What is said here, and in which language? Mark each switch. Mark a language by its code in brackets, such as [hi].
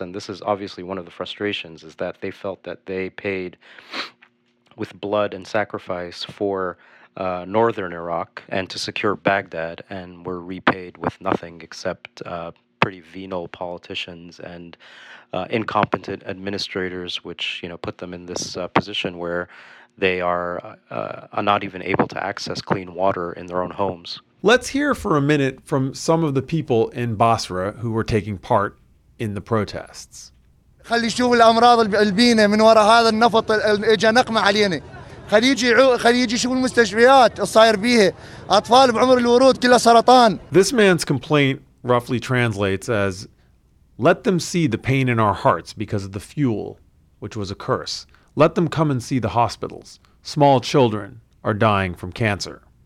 [en] And this is obviously one of the frustrations, is that they felt that they paid with blood and sacrifice for northern Iraq and to secure Baghdad, and were repaid with nothing except pretty venal politicians and incompetent administrators, which, you know, put them in this position where they are not even able to access clean water in their own homes. Let's hear for a minute from some of the people in Basra who were taking part in the protests. [ar] خلي يشوف الأمراض البينة من وراء هذا النفط اللي جا نقمة علينا. خلي يجي يشوف المستشفيات الصاير بيها. أطفال بعمر الورود كلها سرطان. [en] This man's complaint roughly translates as, "Let them see the pain in our hearts because of the fuel, which was a curse. Let them come and see the hospitals. Small children are dying from cancer."